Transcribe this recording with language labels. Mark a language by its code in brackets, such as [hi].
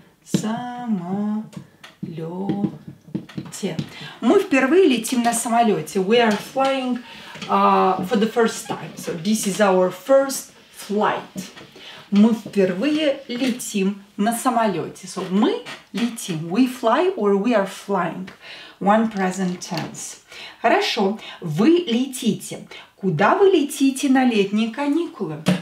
[ru] Самолете. Мы впервые летим на самолете. [en] We are flying for the first time. So this is our first flight. [ru] мы впервые летим на самолете. [en] So, [ru] мы летим. [en] We fly or we are flying. One present tense. [ru] Хорошо. Вы летите. Куда вы летите на летние каникулы?